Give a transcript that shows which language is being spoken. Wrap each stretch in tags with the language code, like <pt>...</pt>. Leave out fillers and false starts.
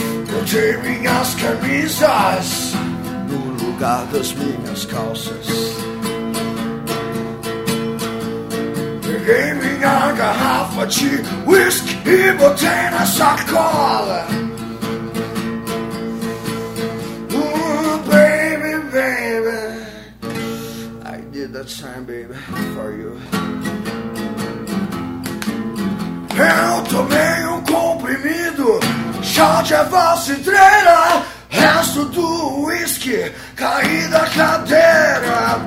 <pt>Botei minhas camisas no lugar das minhas calças. Peguei minha garrafa de whisky e botei na sacola.</pt> <en>Baby, baby, I did that time, baby, for you.</en> <pt>Eu tomei comprimido, chá de erva cidreira, resto do whisky, caí da cadeira.</pt>